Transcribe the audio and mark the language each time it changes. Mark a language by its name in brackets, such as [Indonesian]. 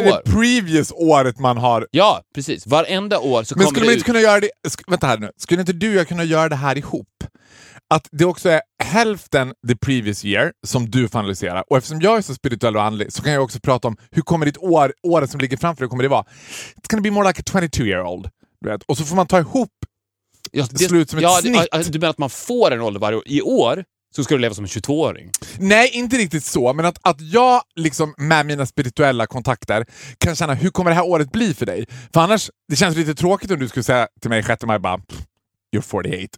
[Swedish] Är det det previous året man har... Ja, precis. Varenda år så men men skulle man inte ut... kunna göra det... Vänta här nu. Skulle inte du kunna göra det här ihop? Att det också är hälften [English] the previous year [Swedish] som du får analysera. Och eftersom jag är så spirituell och andlig så kan jag också prata om hur kommer ditt år, året som ligger framför dig, kommer det vara? [English] It's gonna be more like a 22-year-old. Right? [Swedish] Och så får man ta ihop slut som ett snitt. Du menar att man får en ålder varje år. I år så ska du leva som en 22-åring. Nej, inte riktigt så. Men att jag liksom med mina spirituella kontakter kan känna hur kommer det här året bli för dig? För annars, det känns lite tråkigt om du skulle säga till mig 6 maj bara, [English] you're 48.